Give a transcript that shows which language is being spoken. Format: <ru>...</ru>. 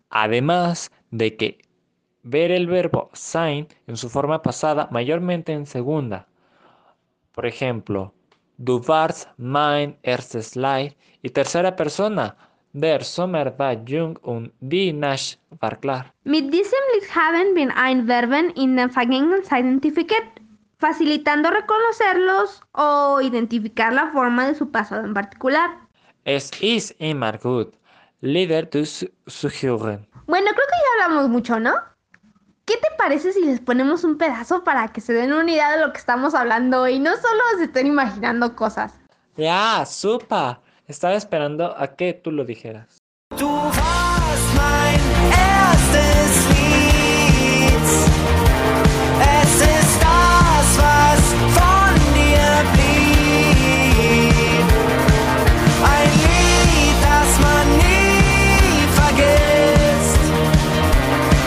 <es>Además de que ver el verbo sein en su forma pasada, mayormente en segunda. Por ejemplo,</es> <de>du warst mein erstes Lied</de> <es>y tercera persona,</es> <de>der Sommer war jung und die Nacht war klar. Mit diesem Lied haben wir ein Verben in den Vergangenheit identifiziert,</de> <es>facilitando reconocerlos o identificar la forma de su pasado en particular.</es> <de>Es ist immer gut, Lieder zu suchen.</de> <es>Bueno, creo que ya hablamos mucho, ¿no? ¿Qué te parece si les ponemos un pedazo para que se den una idea de lo que estamos hablando y no solo se estén imaginando cosas? Ya, supa. Estaba esperando a que tú lo dijeras.</es> <de>Du warst mein erstes Lied. Es ist das, was von dir blieb. Ein Lied, das man nie vergisst.</de>